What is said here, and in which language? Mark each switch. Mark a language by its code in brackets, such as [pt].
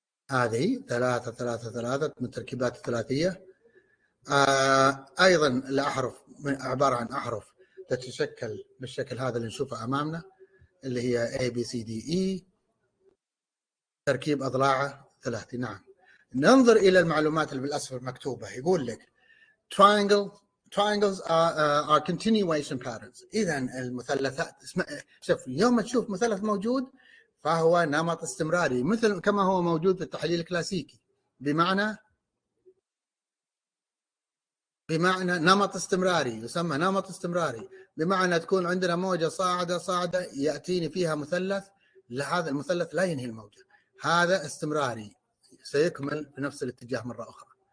[ar] هذه ثلاثة ثلاثة ثلاثة من التركيبات الثلاثية. أيضا الأحرف عبارة عن أحرف تتشكل بالشكل هذا اللي نشوفه أمامنا، اللي هي A B C D E، تركيب أضلاعه ثلاثي. نعم، ننظر إلى المعلومات اللي بالأسفل مكتوبة. يقول لك [en] triangles are continuation patterns. [ar] إذن المثلثات شوف، يوم تشوف مثلث موجود فهو نمط استمراري، مثل كما هو موجود في التحليل الكلاسيكي، بمعنى نمط استمراري، يسمى نمط استمراري، بمعنى تكون عندنا موجة صاعدة صاعدة يأتيني فيها مثلث، لهذا المثلث لا ينهي الموجة، هذا استمراري سيكمل بنفس الاتجاه مرة أخرى.